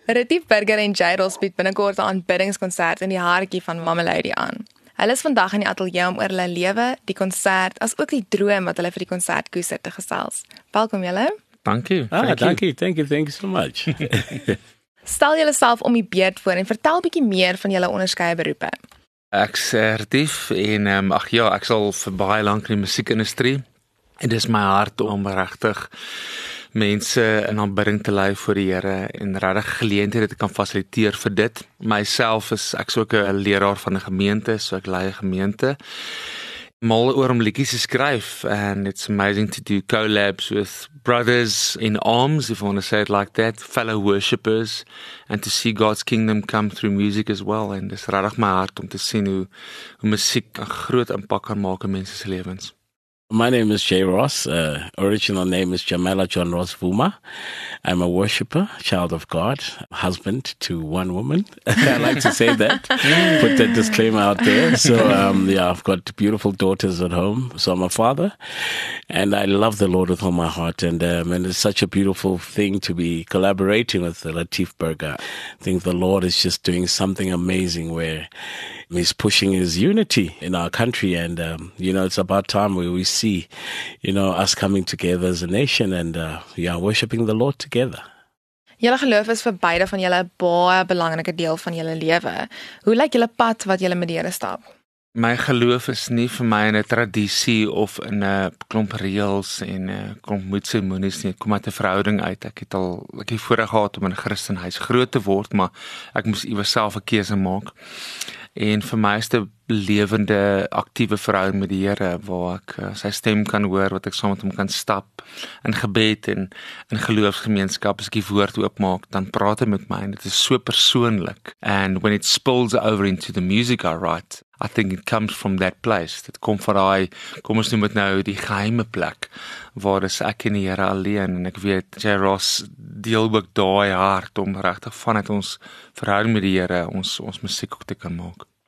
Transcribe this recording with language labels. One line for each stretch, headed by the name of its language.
Afrikaans: Ritty Burger en Jadels bied binnenkort 'n aanbiddingskonsert in die hartjie van Mama Lady aan. Hulle is vandag in die ateljee om oor hulle lewe, die konsert, as ook die droom wat hulle vir die konsert koester te gesels. Welkom julle. Dankie.
English: Thank you so much.
Afrikaans: Stel jouself om die beurt voor en vertel bietjie meer van julle onderskeie beroepe. Ek's Ritty en ek sal vir baie lank in die musiekindustrie en dis my hart om regtig mense in aanbidding te lei voor die Here en regtig geleenthede te kan fasiliteer vir dit. Myself is ek ook 'n leraar van 'n gemeente, so ek lei 'n gemeente. Mal oor om liedjies te skryf
English: and it's amazing to do collabs with brothers in arms, if I want to say it like that, fellow worshippers, and to see God's kingdom come through music as well.
Afrikaans: And dis regtig my hart om te sien hoe musiek 'n groot impak kan maak in mense se lewens.
English: My name is Jay Ross. Original name is Jamela John Ross Vuma. I'm a worshipper, child of God, husband to one woman. I like to say that, put that disclaimer out there. So, I've got beautiful daughters at home. So I'm a father and I love the Lord with all my heart. And it's such a beautiful thing to be collaborating with Latif Berger. I think the Lord is just doing something amazing where he's pushing his unity in our country. And, it's about time where we see, us coming together as a nation and worshiping the Lord together.
Afrikaans: Julle geloof is vir beide van julle 'n baie belangrike deel van julle lewe. Hoe lyk julle pad wat julle met die Here stap? My geloof is nie vir my in 'n tradisie of in 'n klomp reëls en 'n klomp moedseremonies nie. Ek kom uit 'n verhouding uit. Ek het voorreg gehad om in 'n Christenhuis groot te word, maar ek moes iewers self 'n keuse maak. En vir my is 'n lewende, aktiewe verhouding met die Here waar ek sy stem kan hoor, wat ek saam met hom kan stap in gebed en in geloofsgemeenskap. As ek die woord oopmaak, dan praat hy met my en dit is so persoonlik.
English: And when it spills over into the music I write, I think it comes from that place.
Afrikaans: Dit kom van daai, kom ons noem dit nou die geheime plek waar is ek en die Here alleen. En ek weet, Jay Ross deel ook daai hart om regtig vanuit ons verhouding met die Here ons musiek ook te kan maak.